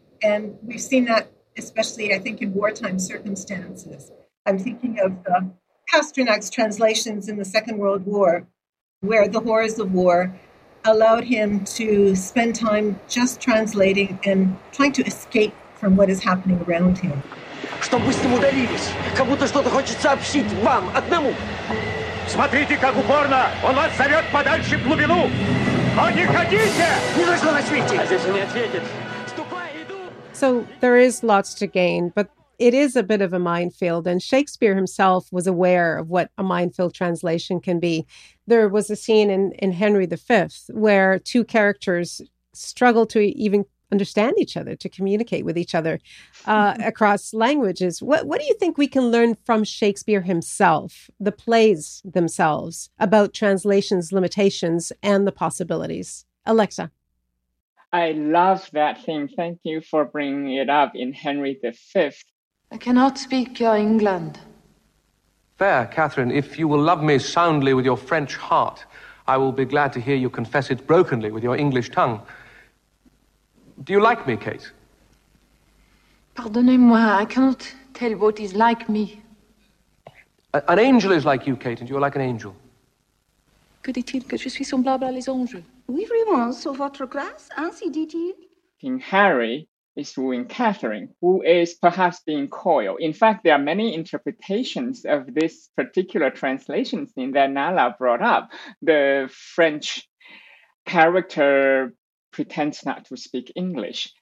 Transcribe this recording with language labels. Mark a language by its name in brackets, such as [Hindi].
[English] And we've seen that especially, I think, in wartime circumstances. I'm thinking of Pasternak's translations in the Second World War, where the horrors of war allowed him to spend time just translating and trying to escape from what is happening around him. [Russian] Чтоб вы с ним удалились, как будто что-то хочет сообщить вам одному. Смотрите, как упорно он вас зовет подальше в глубину. Но не ходите! Не нужно на свете. А здесь он не ответит. [English] So there is lots to gain, but it is a bit of a minefield. And Shakespeare himself was aware of what a minefield translation can be. There was a scene in Henry V where two characters struggle to even understand each other, to communicate with each other across languages. What do you think we can learn from Shakespeare himself, the plays themselves, about translation's limitations and the possibilities? Alexa. I love that thing. Thank you for bringing it up in Henry V. I cannot speak your England. Fair Catherine, if you will love me soundly with your French heart, I will be glad to hear you confess it brokenly with your English tongue. Do you like me, Kate? [French] Pardonnez-moi, [English] I cannot tell what is like me. An angel is like you, Kate, and you are like an angel. [French] Que dit-il que je suis semblable à les anges? Oui, vraiment, sur votre classe, ainsi dit-il. [English] King Harry is wooing Catherine, who is perhaps being coil. In fact, there are many interpretations of this particular translation scene that Nala brought up. The French character pretends not to speak English.